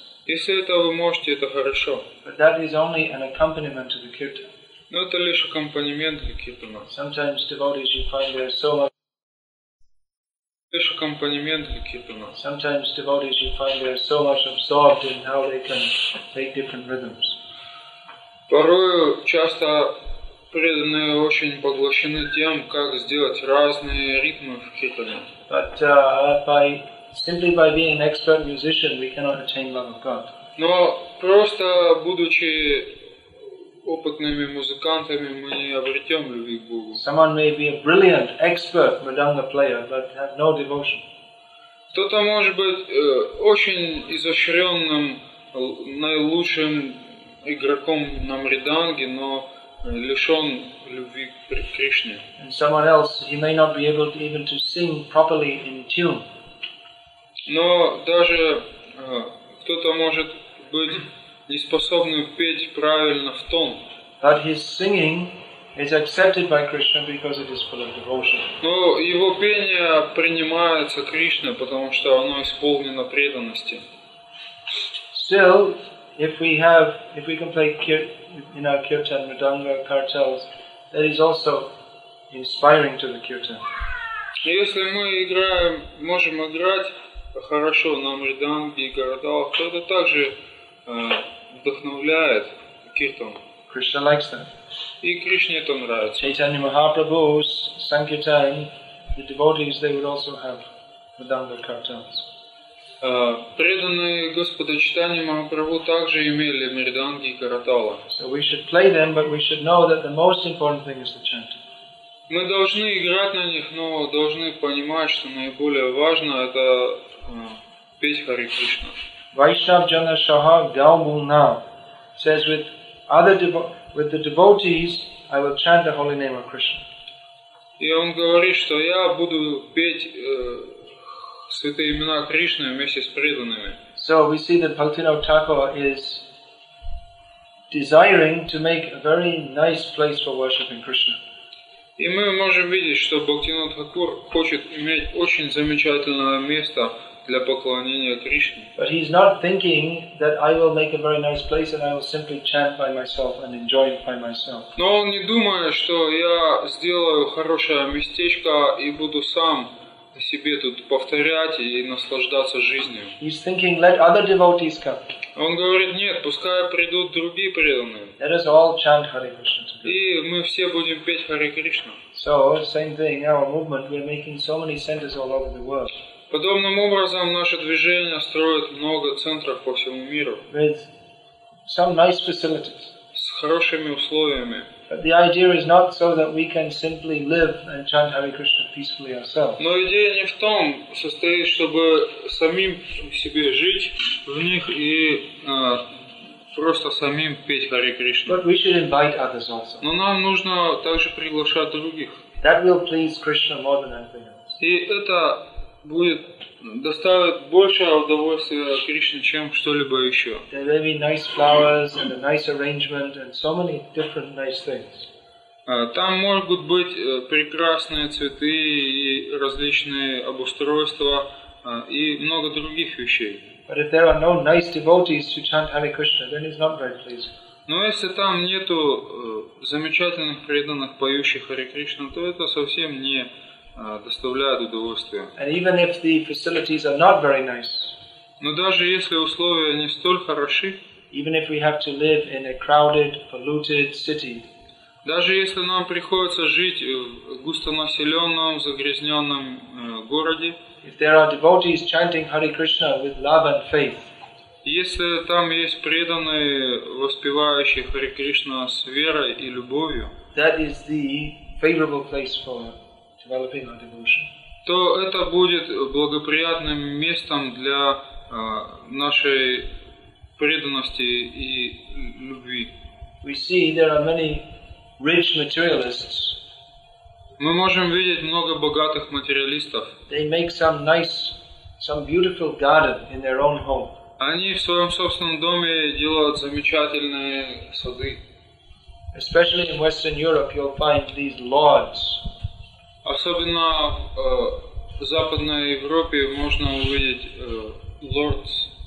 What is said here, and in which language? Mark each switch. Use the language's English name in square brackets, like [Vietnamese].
[Russian] Если это вы можете, это хорошо. [English] But that is only an accompaniment to the kirtan. [Russian] Но это лишь аккомпанемент для киртана. [English] Sometimes devotees you find they are so [Russian] лишь аккомпанемент для киртана. [English] Sometimes devotees you find they are so much absorbed in how they can take different rhythms. [Russian] Порою часто преданные очень поглощены тем, как сделать разные ритмы в киртане. [English] But simply by being an expert musician, we cannot attain love of God. [Russian] Но просто будучи опытными музыкантами, мы не обретем любви к Богу. [English] Someone may be a brilliant, expert mridanga player, but have no devotion. [Russian] Кто-то может быть очень изощренным, наилучшим игроком на мриданге, но лишен любви к Кришне. [English] And someone else, he may not be able to even to sing properly in tune. [Russian] Но даже кто-то может быть неспособным петь правильно в тон. [English] But his singing is accepted by Krishna because it is full of devotion. [Russian] Но его пение принимается Кришной, потому что оно исполнено преданности. [English] Still, if we can play in our kirtan, mridanga, kartals, that is also inspiring to the kirtan. [Russian] Если мы можем играть хорошо на мриданге и гардалах, то это также вдохновляет киртан. [English] Krishna likes that. [Russian] И Кришне это нравится. [English] Chaitanya Mahaprabhu's sankirtan, the devotees, they would also have mridanga kartals. [Russian] Преданные Господа Чайтанья Махапрабху также имели мриданги и каратала. [English] So we should play them, but we should know that the most important thing is the chanting. [Russian] Мы должны играть на них, но должны понимать, что наиболее важно это петь Харе Кришна. [English] Vaishnav Jana Shaha Gaumuna says, with the devotees, I will chant the holy name of Krishna. [Russian] И он говорит, что я буду петь святые имена Кришны вместе с преданными. [English] So we see that Bhaktivinoda Thakur is desiring to make a very nice place for worshiping Krishna. [Russian] И мы можем видеть, что Бхактивинода Тхакур хочет иметь очень замечательное место для поклонения Кришне. [English] But he's not thinking that I will make a very nice place and I will simply chant by myself and enjoy it by myself. [Russian] Но он не думает, что я сделаю хорошее местечко и буду сам себе тут повторять и наслаждаться жизнью. [English] He's thinking, let other devotees come. [Russian] Он говорит, нет, пускай придут другие преданные. [English] Let us all chant Hare Krishna. [Russian] И мы все будем петь Харе Кришна. [English] So, same thing, our movement, we're making so many centers all over the world. [Russian] Подобным образом наше движение строит много центров по всему миру. [English] With some nice facilities. [Russian] С хорошими условиями. [English] But the idea is not so that we can simply live and chant Hare Krishna peacefully ourselves. [Russian] Но идея не в том, состоит, чтобы самим себе жить в них и просто самим петь Харе Кришна. [English] But we should invite others also. [Russian] Но нам нужно также приглашать других. [English] That will please Krishna more than anything else. [Russian] И это будет доставить больше удовольствия Кришне, чем что-либо еще. [English] There will be nice flowers and a nice arrangement and so many different nice things. [Russian] Там могут быть прекрасные цветы и различные обустройства и много других вещей. [English] But if there are no nice devotees to chant Hare Krishna, then it's not very pleasing. [Russian] Но если там нету замечательных преданных поющих Харе Кришна, то это совсем не доставляет удовольствия. [English] And even if the facilities are not very nice. [Russian] Но даже если условия не столь хороши. [English] Even if we have to live in a crowded, polluted city. [Russian] Даже если нам приходится жить в густонаселенном, загрязненном городе. [English] If there are devotees chanting Hare Krishna with love and faith. [Russian] Если там есть преданные, воспевающие Харе Кришна с верой и любовью. [English] That is the favorable place for developing our devotion. [Russian] То это будет благоприятным местом для нашей преданности и любви. [English] We see there are many rich materialists. [Russian] Мы можем видеть много богатых материалистов. [English] They make some nice, some beautiful garden in their own home. [Russian] Они в своем собственном доме делают замечательные сады. [English] Especially in Western Europe, you'll find these lords. [Russian] Особенно в Западной Европе можно увидеть lords.